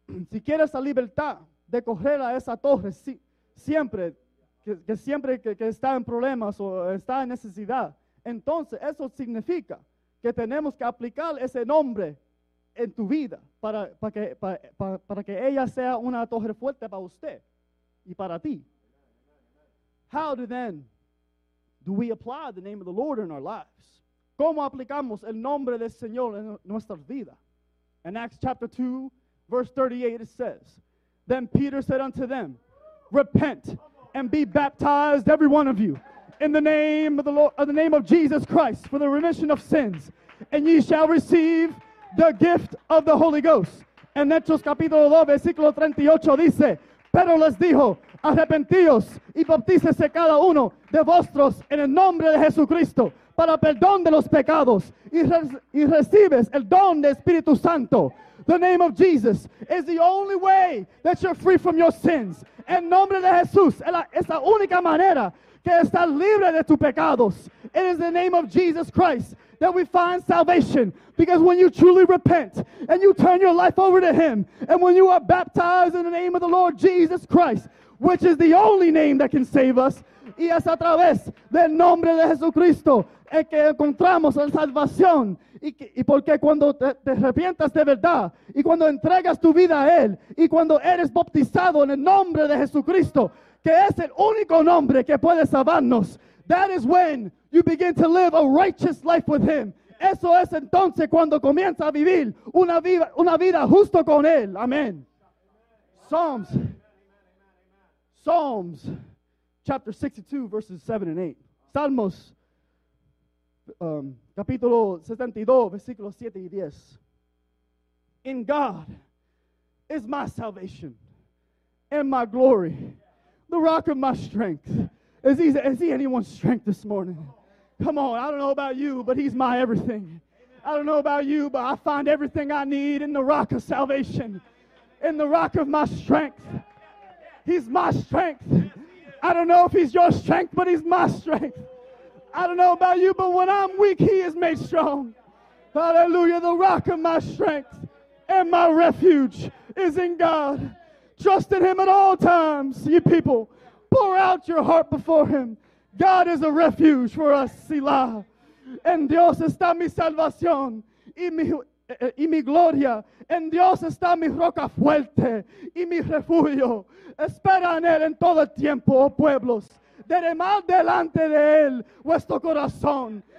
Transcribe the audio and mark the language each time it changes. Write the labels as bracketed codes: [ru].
[es] Si quieres la libertad de correr a esa torre siempre, que siempre que está en problemas o está en necesidad, entonces eso significa que tenemos que aplicar ese nombre en tu vida para que ella sea una torre fuerte para usted y para ti. [en] How then do we apply the name of the Lord in our lives? [es] ¿Cómo aplicamos el nombre del Señor en nuestra vida? [en] In Acts chapter 2, verse 38, it says, then Peter said unto them, repent and be baptized, every one of you, in the name of the Lord, in the name of Jesus Christ, for the remission of sins, and ye shall receive the gift of the Holy Ghost. [es] En Hechos capítulo 2, versículo 38, dice, pero les dijo, arrepentíos y bautícese cada uno de vosotros en el nombre de Jesucristo para perdón de los pecados y recibes el don de Espíritu Santo. [en] The name of Jesus is the only way that you're free from your sins. [es] El nombre de Jesús es la única manera que estás libre de tus pecados. [en] It is the name of Jesus Christ that we find salvation, because when you truly repent and you turn your life over to Him, and when you are baptized in the name of the Lord Jesus Christ, which is the only name that can save us, [es] y es a través del nombre de Jesucristo es que encontramos la salvación. Y porque cuando te arrepientas de verdad y cuando entregas tu vida a Él y cuando eres bautizado en el nombre de Jesucristo, que es el único nombre que puede salvarnos, [en] that is when you begin to live a righteous life with Him. [es] Eso es entonces cuando comienza a vivir una vida justo con Él. Amén. [en] Psalms chapter 62, verses 7 and 8. [es] Salmos, capítulo 72, versículos 7 y 10. [en] In God is my salvation and my glory, the rock of my strength. Is he anyone's strength this morning? Come on, I don't know about you, but He's my everything. I don't know about you, but I find everything I need in the rock of salvation, in the rock of my strength. He's my strength. I don't know if He's your strength, but He's my strength. I don't know about you, but when I'm weak, He is made strong. Hallelujah, the rock of my strength and my refuge is in God. Trust in Him at all times, ye people. Pour out your heart before Him. God is a refuge for us, Selah. [es] En Dios está mi salvación y mi gloria. En Dios está mi roca fuerte y mi refugio. Espera en Él en todo el tiempo, oh pueblos. Derramad delante de Él vuestro corazón.